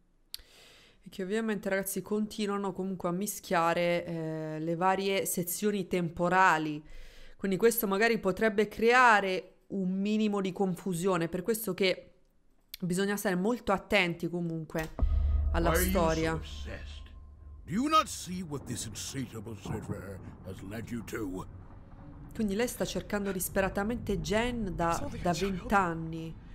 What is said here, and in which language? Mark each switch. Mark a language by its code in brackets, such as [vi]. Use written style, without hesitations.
[it] E che ovviamente, ragazzi, continuano comunque a mischiare le varie sezioni temporali. Quindi questo magari potrebbe creare un minimo di confusione. Per questo che bisogna stare molto attenti comunque alla storia. [en] Do you not see what this insatiable server has led you to? [it] Quindi lei sta cercando disperatamente Jen da 20 anni.